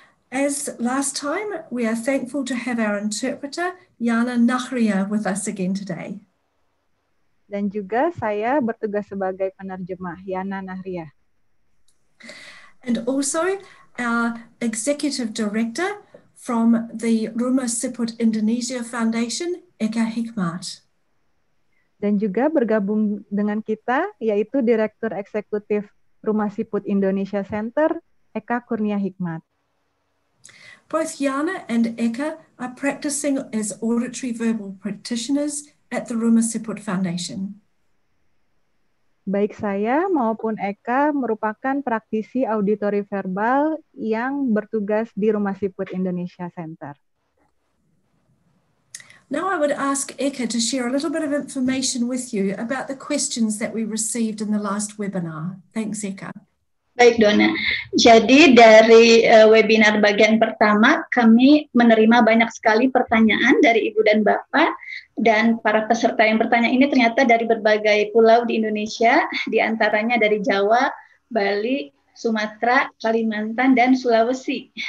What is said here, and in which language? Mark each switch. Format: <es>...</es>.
<en>As last time, we are thankful to have our interpreter, Yana Nahria, with us again today.</en> <id>Dan juga saya bertugas sebagai penerjemah, Yana Nahria.</id> <en>And also our executive director from the Rumah Siput Indonesia Foundation, Eka Hikmat.</en> <id>Dan juga bergabung dengan kita, yaitu Direktur Eksekutif Rumah Siput Indonesia Center, Eka Kurnia Hikmat.</id> <en>Both Yana and Eka are practicing as auditory verbal practitioners at the Rumah Siput Foundation.</en> <id>Baik saya maupun Eka merupakan praktisi auditory verbal yang bertugas di Rumah Siput Indonesia Center.</id> <en>Now I would ask Eka to share a little bit of information with you about the questions that we received in the last webinar. Thanks, Eka.</en> <id>Baik, Dona. Jadi dari webinar bagian pertama, kami menerima banyak sekali pertanyaan dari Ibu dan Bapak, dan para peserta yang bertanya ini ternyata dari berbagai pulau di Indonesia, diantaranya dari Jawa, Bali, Sumatera, Kalimantan, dan Sulawesi.</id>